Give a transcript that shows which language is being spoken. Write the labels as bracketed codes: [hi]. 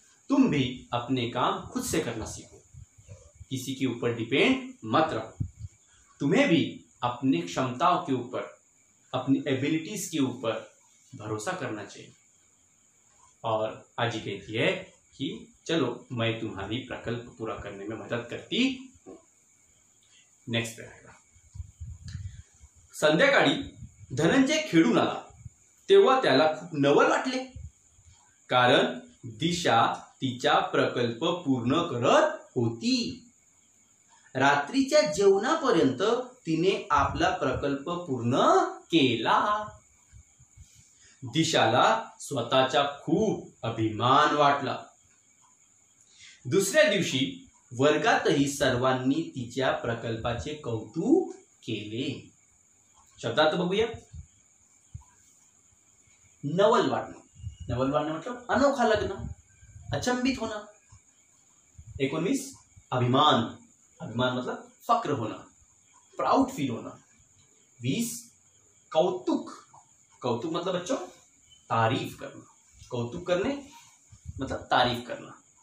[hi] तुम भी अपने काम खुद से करना सीखो, किसी के ऊपर डिपेंड मत रहो, तुम्हें भी अपने क्षमताओं के ऊपर, अपनी एबिलिटीज के ऊपर भरोसा करना चाहिए। और आजी कहती है कि चलो मैं तुम्हारी प्रकल्प पूरा करने में मदद करती हूं। नेक्स्ट पे आएगा। [mr] संध्याकाळी धनंजय खेळून आला तेव्हा त्याला खूप नवल वाटले, कारण दिशा तिचा प्रकल्प पूर्ण करत होती, रात्रीच्या जेवणापर्यंत तिने आपला प्रकल्प पूर्ण केला। दिशाला स्वतःचा खूप अभिमान वाटला। दुसऱ्या दिवशी वर्गातही सर्वांनी तिच्या प्रकल्पाचे कौतुक केले। शब्दात बघूया, [hi] नवल वाटणं, नवल वाटणं मतलब अनोखा लग्न, अचंबित होना। 19 अभिमान, अभिमान मतलब फक्र होना, प्राउड फील होना। 20 कौतुक, कौतुक मतलब बच्चों तारीफ करना, कौतुक करने मतलब तारीफ करना।